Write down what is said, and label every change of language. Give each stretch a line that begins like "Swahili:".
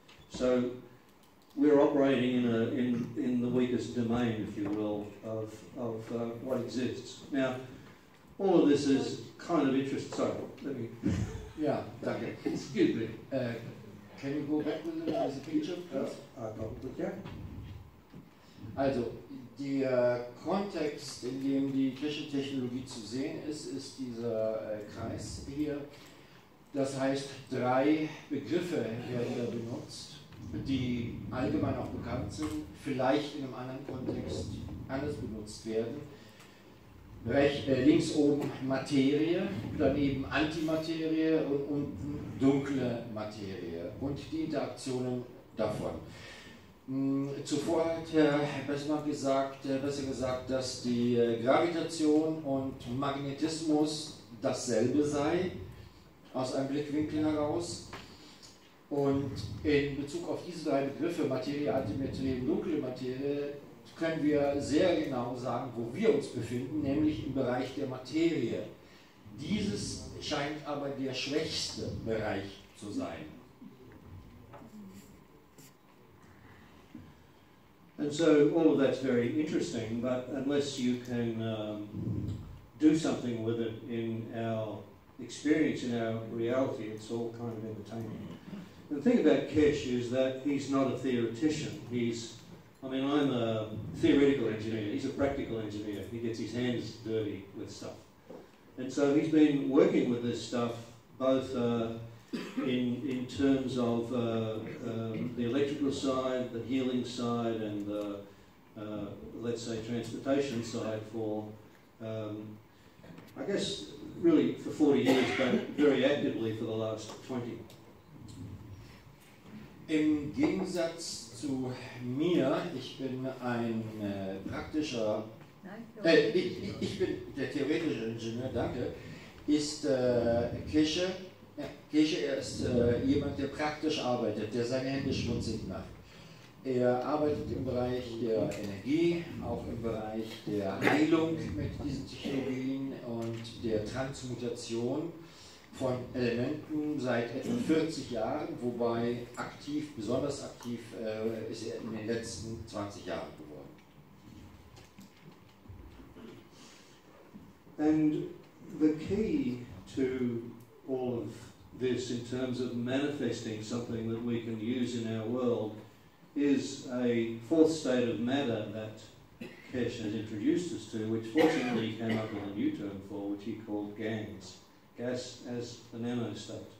English: So we're operating in the weakest domain, if you will, of what exists. Now, all of this is kind of interesting. Sorry, let me... Yeah, danke. Excuse me. Can you go back with it as a picture, please? I probably can.
German: Also, der Kontext, in dem die Keshe-Technologie zu sehen ist, ist dieser Kreis hier. Das heißt, drei Begriffe werden da benutzt, die allgemein auch bekannt sind, vielleicht in einem anderen Kontext anders benutzt werden. Links oben Materie, daneben Antimaterie und unten dunkle Materie und die Interaktionen davon. Zuvor hat Herr Bessmer besser gesagt, dass die Gravitation und Magnetismus dasselbe sei, aus einem Blickwinkel heraus. Und in Bezug auf diese drei Begriffe, Materie, Antimaterie und dunkle Materie, können wir sehr genau sagen, wo wir uns befinden, nämlich im Bereich der Materie. Dieses scheint aber der schwächste Bereich zu sein.
English: And so all of that's very interesting, but unless you can do something with it in our experience, in our reality, it's all kind of entertaining. The thing about Kish is that he's not a theoretician. I'm a theoretical engineer. He's a practical engineer. He gets his hands dirty with stuff. And so he's been working with this stuff both in terms of the electrical side, the healing side, and the, let's say, transportation side for, I guess, really for 40 years, but very actively for the last 20.
German: Im Gegensatz zu mir, ich bin ein praktischer, ich bin der theoretische Ingenieur, danke, ist Kische. Ja, Kische, er ist jemand, der praktisch arbeitet, der seine Hände schmutzig macht. Er arbeitet im Bereich der Energie, auch im Bereich der Heilung mit diesen Technologien und der Transmutation von Elementen seit etwa 40 Jahren, wobei aktiv, besonders aktiv ist er in den letzten 20 Jahren geworden.
English: And the key to all of this in terms of manifesting something that we can use in our world is a fourth state of matter that Kesh has introduced us to, which fortunately he came up with a new term for, which he called GANS, gas as the nano state.